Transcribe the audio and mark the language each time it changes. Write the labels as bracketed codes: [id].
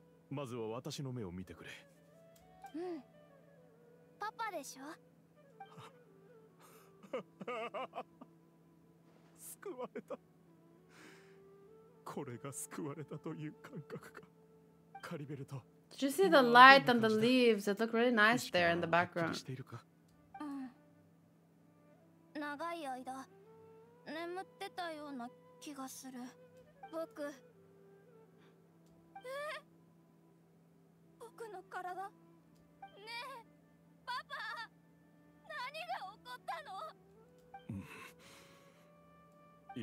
[ja] まずは私の目を見てくれ。うん。パパでしょ。救われた。これが救われたという感覚か。カリベルト。 [en] Did you see the light on the leaves? It looked really nice there in the background. [ja] うん。長い間。眠ってたような気がする。僕、僕の体。ねえパパ、何が起こったの？